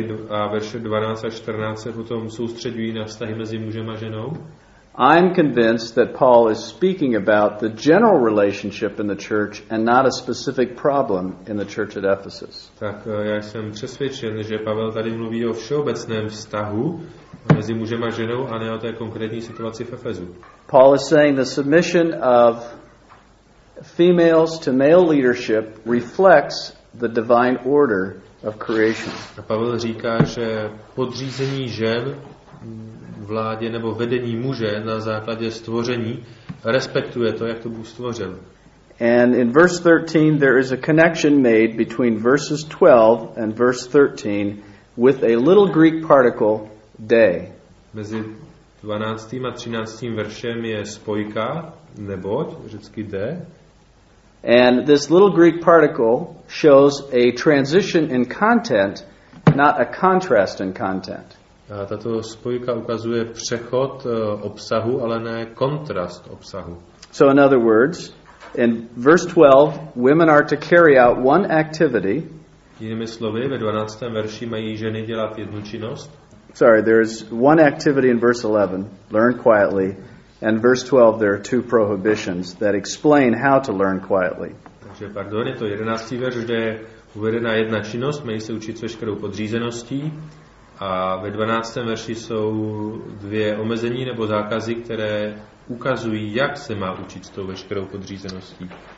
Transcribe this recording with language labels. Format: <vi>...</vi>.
<cs>A verše 12 a 14 se potom soustředují na vztahy mezi mužem a ženou.</cs> <en>I'm convinced that Paul is speaking about the general relationship in the church and not a specific problem in the church at Ephesus.</en> <cs>Tak já jsem přesvědčen, že Pavel tady mluví o všeobecném vztahu mezi mužem a ženou a ne o té konkrétní situaci v Efezu.</cs> <en>Paul is saying the submission of females to male leadership reflects the divine order of creation.</en> <cs>A Pavel říká, že podřízení žen vládě nebo vedení muže na základě stvoření respektuje to, jak to Bůh stvořil.</cs> <en>And in verse 13 there is a connection made between verses 12 and verse 13 with a little Greek particle, day.</en> <cs>Mezi 12. a 13. veršem je spojka neboť, vždycky de.</cs> <en>And this little Greek particle shows a transition in content, not a contrast in content.</en> <cs>A tato spojka ukazuje přechod obsahu, ale ne kontrast obsahu.</cs> <en>So in other words, in verse 12, women are to carry out one activity.</en> <cs>Jinými slovy, ve 12. verši mají ženy dělat jednu činnost.</cs> <en>Sorry, there's one activity in verse 11, learn quietly. And verse 12, there are two prohibitions that explain how to learn quietly.</en> <cs>Takže, pardon, je to 11. verš, kde je uvedena jedna činnost, mají se učit veškerou podřízeností. A ve 12. verši jsou dvě omezení nebo zákazy, které ukazují, jak se má učit s tou veškerou podřízeností.</cs>